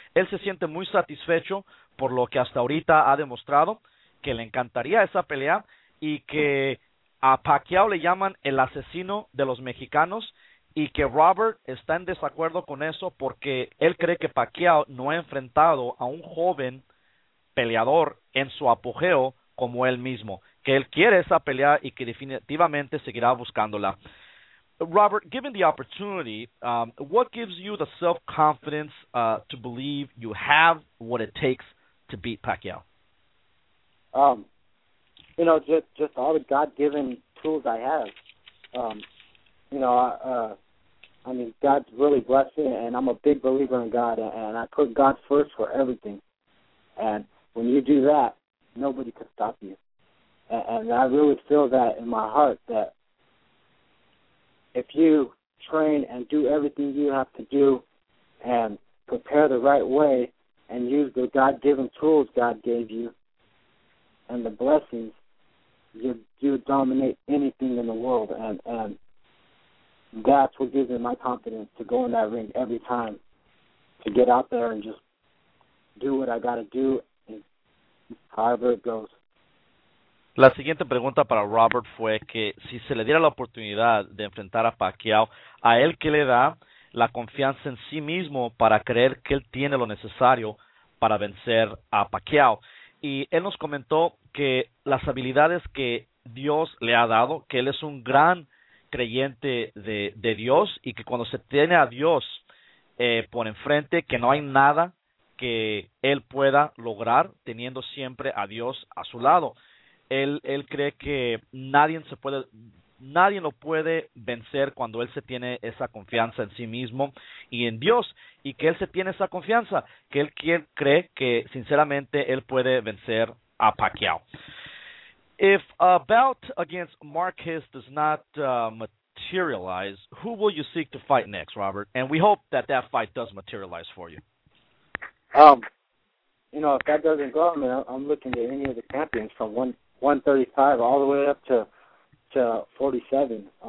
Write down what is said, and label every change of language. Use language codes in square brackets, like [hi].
[es] Él se siente muy satisfecho por lo que hasta ahorita ha demostrado, que le encantaría esa pelea, y que a Pacquiao le llaman el asesino de los mexicanos, y que Robert está en desacuerdo con eso porque él cree que Pacquiao no ha enfrentado a un joven peleador en su apogeo como él mismo, que él quiere esa pelea y que definitivamente seguirá buscándola. [en] Robert, given the opportunity, what gives you the self-confidence to believe you have what it takes to beat Pacquiao? Just all the God-given tools I have. God's really blessed me, and I'm a big believer in God, and I put God first for everything. And when you do that, nobody can stop you. And I really feel that in my heart, that if you train and do everything you have to do and prepare the right way and use the God-given tools God gave you and the blessings, you dominate anything in the world. And that's what gives me my confidence to go in that ring every time, to get out there and just do what I got to do, and however it goes. [es] La siguiente pregunta para Robert fue que si se le diera la oportunidad de enfrentar a Pacquiao, ¿a él qué le da la confianza en sí mismo para creer que él tiene lo necesario para vencer a Pacquiao? y él nos comentó que las habilidades que Dios le ha dado, que él es un gran creyente de Dios, y que cuando se tiene a Dios por enfrente, que no hay nada que él pueda lograr teniendo siempre a Dios a su lado. Él cree que nadie lo puede vencer cuando él se tiene esa confianza en sí mismo y en Dios, y que él se tiene esa confianza, que él cree que sinceramente él puede vencer a Pacquiao. [en] If a bout against Marquez does not materialize, who will you seek to fight next, Robert? And we hope that that fight does materialize for you. You know, if that doesn't go, I mean, I'm looking at any of the champions from 135 all the way up to 47.